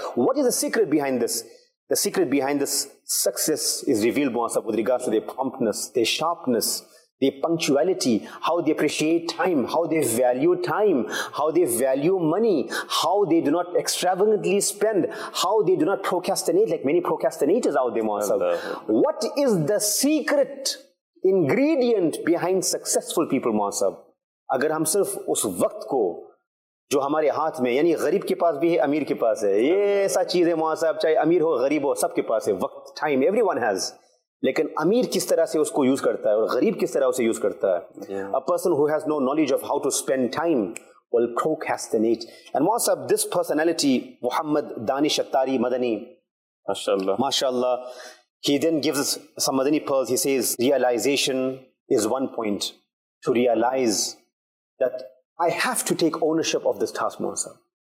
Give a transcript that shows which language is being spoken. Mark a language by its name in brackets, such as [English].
[English] What is the secret behind this? The secret behind this success is revealed, Mohsab, with regards to their promptness, their sharpness, their punctuality, how they appreciate time, how they value time, how they value money, how they do not extravagantly spend, how they do not procrastinate like many procrastinators out there, Mohsab. What is the secret ingredient behind successful people, Mohsab? [Urdu] Agar hum sirf us waqt ko جو ہمارے ہاتھ میں, یعنی غریب کے پاس بھی ہے امیر کے پاس ہے, یہ ایسا چیز ہے محاسب, چاہے امیر ہو غریب ہو سب کے پاس ہے وقت, [English] time every one has, [Urdu] لیکن امیر کس طرح سے اس کو یوز کرتا ہے اور غریب کس طرح اسے یوز کرتا ہے. [English] A person who has no knowledge of how to spend time will procrastinate. And what's up, this personality, Muhammad Danish Attari Madani, mashallah, mashallah, he then gives us some Madani pearls. He says, realization is one point, to realize that I have to take ownership of this task, Mohsab.